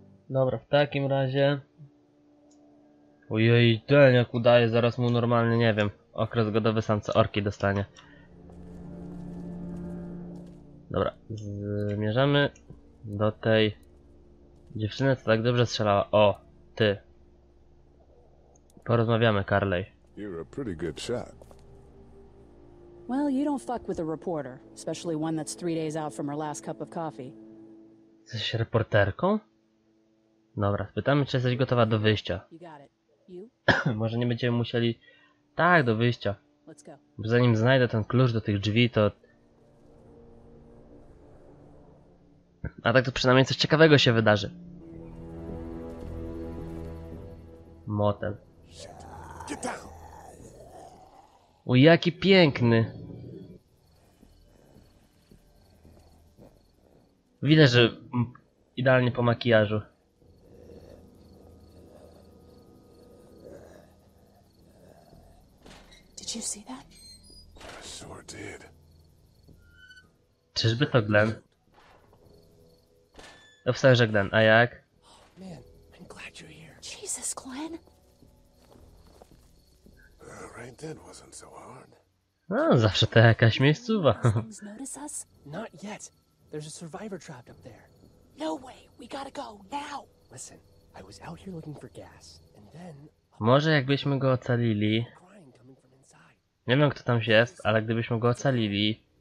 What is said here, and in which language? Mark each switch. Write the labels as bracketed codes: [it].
[pl] Dobra, w takim razie... Ojej, ten jak udaje, zaraz mu normalnie, nie wiem, okres godowy samca orki dostanie. Dobra, zmierzamy do tej dziewczyny, co tak dobrze strzelała. O, ty. Porozmawiamy, Carly. [en] You're a pretty good shot. Well, you don't fuck with a reporter, especially one that's 3 days out from her last cup of coffee. [pl] Jesteś reporterką? Dobra, spytamy, czy jesteś gotowa do wyjścia. [en] You got it. You? [pl] Może nie będziemy musieli... Tak, do wyjścia. [en] Let's go. [pl] Bo zanim znajdę ten klucz do tych drzwi, to... A tak to przynajmniej coś ciekawego się wydarzy. Motel. O, jaki piękny. Widać, że idealnie po makijażu. [en] Did you see that? I sure did. [pl] Czyżby to Glenn? No wstań, że Glenn, a jak? [en] Man, I'm glad you're here. Jesus, Glenn! Right then wasn't so hard. [pl] No, zawsze to jakaś miejscowa. [en] Not yet. There's a survivor trapped up there. No way, we gotta go, now! Listen, I was out here looking for gas, and then... [pl] Może jakbyśmy go ocalili... Nie wiem, kto tam się jest, ale gdybyśmy go ocalili...